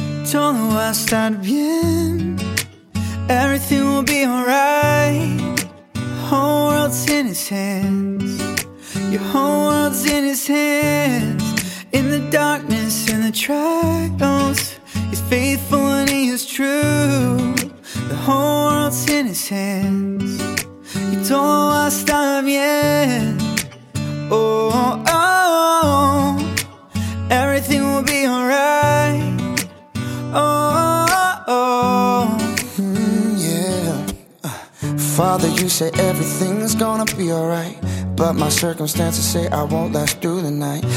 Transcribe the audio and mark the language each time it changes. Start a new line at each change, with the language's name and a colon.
Spanish: Todo va a estar bien,
English: everything will be alright. Whole world's in his hands, your whole world's in his hands. In the darkness, in the trials, he's faithful and he is true. The whole world's in his hands.
Spanish: hands y todo va a estar bien. Oh, oh, oh, oh.
English: Everything will be alright. Oh, oh, oh. Yeah. Father, you say everything's gonna be alright, but my circumstances say I won't last through the night.